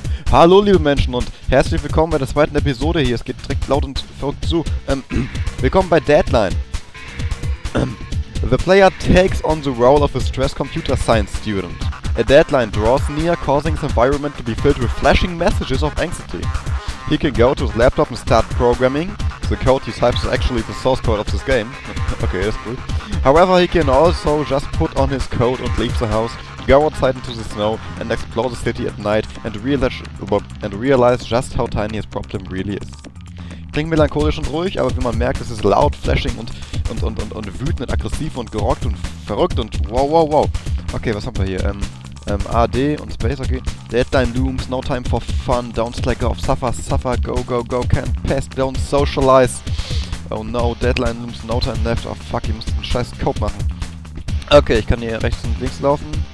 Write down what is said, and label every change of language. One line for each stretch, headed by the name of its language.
German: Hallo liebe Menschen und herzlich willkommen bei der zweiten Episode hier. Es geht direkt laut und verrückt zu. Willkommen bei Deadline.
English: The player takes on the role of a stressed computer science student. A deadline draws near, causing his environment to be filled with flashing messages of anxiety. He can go to his laptop and start programming. The code he types is actually the source code of this game. Okay, that's cool. However, he can also just put on his coat and leave the house, go outside into the snow and explore the city at night and realize just how tiny his problem really is.
German: Klingt melancholisch und ruhig, aber wie man merkt, es ist laut, flashing und wütend und aggressiv und gerockt und verrückt und wow, wow, wow. Okay, was haben wir hier? AD und Space, okay.
English: Deadline looms, no time for fun, don't slack off, suffer, go, go, go, can't pass, don't socialize. Oh no, Deadline looms, no time left, oh fuck,
German: ich muss einen scheiß Code machen. Okay, ich kann hier rechts und links laufen.